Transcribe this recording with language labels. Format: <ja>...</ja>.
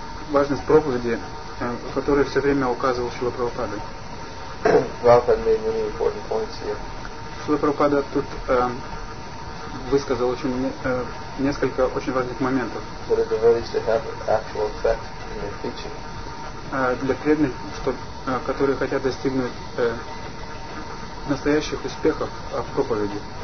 <ru>Важность проповеди, которую все время указывал Шрила Прабхупада.</ru> <en>Prabhupada made many important points here.</en> <ru>Шрила Прабхупада тут высказал несколько очень важных моментов.</ru> <en>For the devotees to have actual effect in their preaching.</en> <ru>Для преданных, которые хотят достигнуть настоящих успехов в проповеди.</ru>